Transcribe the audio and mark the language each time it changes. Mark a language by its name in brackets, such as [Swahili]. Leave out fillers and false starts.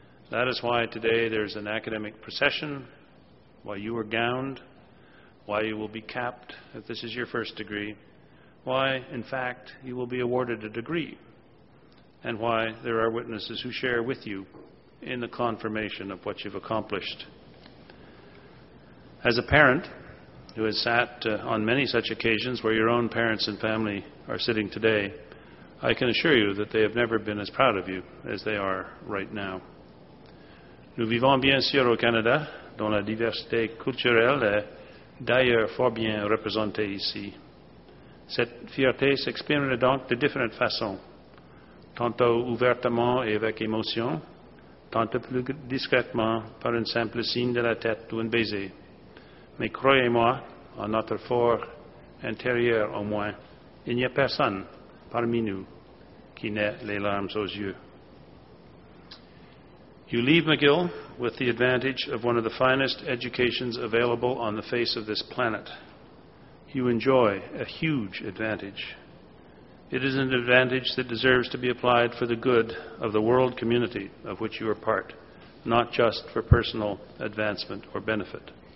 [English] That is why today there is an academic procession, why you are gowned, why you will be capped if this is your first degree, why, in fact, you will be awarded a degree, and why there are witnesses who share with you in the confirmation of what you've accomplished. As a parent who has sat on many such occasions where your own parents and family are sitting today, I can assure you that they have never been as proud of you as they are right now. [French] Nous vivons bien sûr au Canada, dont la diversité culturelle est d'ailleurs fort bien représentée ici. Cette fierté s'exprime donc de différentes façons, tantôt ouvertement et avec émotion, tantôt plus discrètement par un simple signe de la tête ou un baiser. Mais croyez-moi, en notre fort intérieur au moins, il n'y a personne parmi nous qui n'ait les larmes aux yeux. [English] You leave McGill with the advantage of one of the finest educations available on the face of this planet. You enjoy a huge advantage. It is an advantage that deserves to be applied for the good of the world community of which you are part, not just for personal advancement or benefit.